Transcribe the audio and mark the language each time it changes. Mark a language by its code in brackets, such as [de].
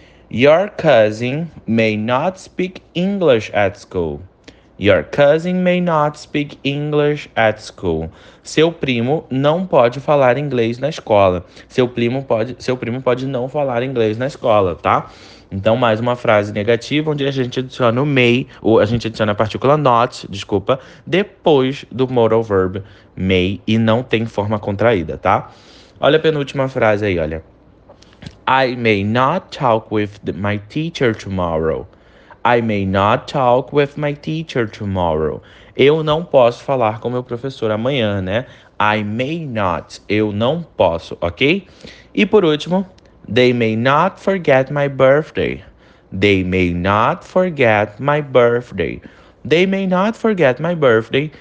[en] Your cousin may not speak English at school. Your cousin may not speak English at school. [pt] Seu primo não pode falar inglês na escola. Seu primo pode não falar inglês na escola, tá? Então, mais uma frase negativa, onde a gente adiciona o may, ou a gente adiciona a partícula not, desculpa, depois do modal verb may e não tem forma contraída, tá? Olha a penúltima frase aí, olha. [en] I may not talk with my teacher tomorrow. I may not talk with my teacher tomorrow. [pt] Eu não posso falar com meu professor amanhã, né? I may not. Eu não posso, ok? E por último, [en] they may not forget my birthday. They may not forget my birthday. They may not forget my birthday.